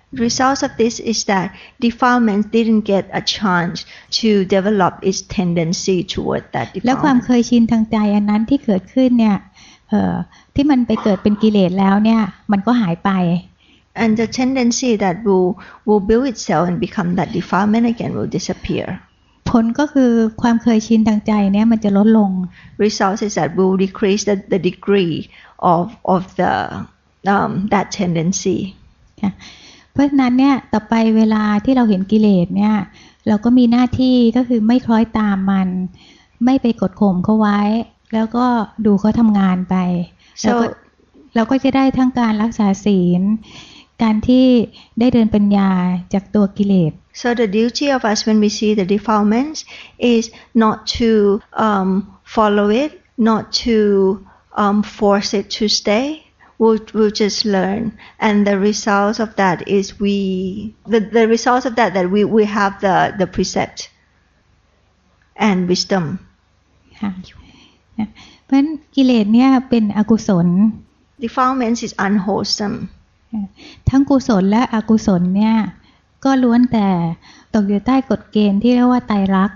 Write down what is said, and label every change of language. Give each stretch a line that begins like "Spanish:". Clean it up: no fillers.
English: Results of this is that defilement didn't get a chance to develop its tendency toward that defilement
Thai: แล้วความเคยชินทางใจอันนั้นที่เกิดขึ้นเนี่ยที่มันไปเกิดเป็นกิเลสแล้วเนี่ยมันก็หายไป
English: And the tendency that will build itself and become that defilement again will disappear
Thai: ผลก็คือความเคยชินทางใจเนี่ยมันจะลดลง
English: Result is that will decrease the degree of the that tendency
Thai: เพราะฉะนั้นเนี่ยต่อไปเวลาที่เราเห็นกิเลสเนี่ยเราก็มีหน้าที่ก็คือไม่คล้อยตามมันไม่ไปกดข่มเขาไว้แล้วก็ดูเขาทำงานไป
English: so,
Thai: เราก็จะได้ทั้งการรักษาศีลการที่ได้เดินปัญญาจากตัวกิเลส
English: so the duty of us when we see the defilements is not to follow it not to force it to stay we'll just learn and the results of that is the results of that we have the precept and wisdom thank you
Thai: เพราะฉะนั้นกิเลสเนี่ยเป็นอกุศล
English: Defilements is unwholesome
Thai: ทั้งกุศลและอกุศลเนี่ยก็ล้วนแต่ตกอยู่ใต้กฎเกณฑ์ที่เรียกว่าไตรลักษณ